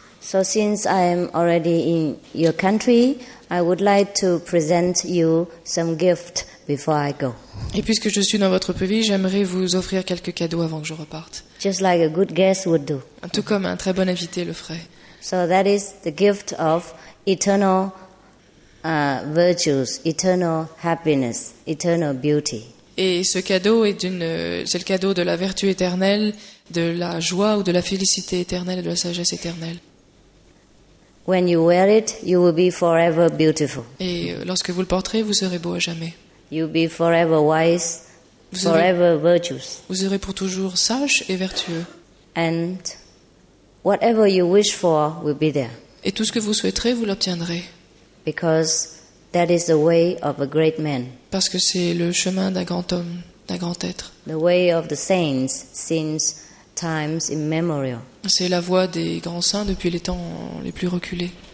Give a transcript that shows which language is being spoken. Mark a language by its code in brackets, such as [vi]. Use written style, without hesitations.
[en] So since I am already in your country, I would like to present you some gift before I go. [fr] Et puisque je suis dans votre pays, j'aimerais vous offrir quelques cadeaux avant que je reparte. [en] Just like a good guest would do. [fr] Tout comme un très bon invité le ferait. [en] So that is the gift of eternal virtues, eternal happiness, eternal beauty. [fr] Et ce cadeau est c'est le cadeau de la vertu éternelle, de la joie ou de la félicité éternelle, de la sagesse éternelle. [en] When you wear it, you will be forever beautiful. [fr] Et lorsque vous le porterez, vous serez beau à jamais. [en] You'll be forever wise, forever virtuous. [fr] Vous serez pour toujours sage et vertueux. [en] And whatever you wish for will be there. [fr] Et tout ce que vous souhaiterez, vous l'obtiendrez. [en] Because that is the way of a great man. [fr] Parce que c'est le chemin d'un grand homme, d'un grand être. [en] The way of the saints since times immemorial. [fr] C'est la voie des grands saints depuis les temps les plus reculés.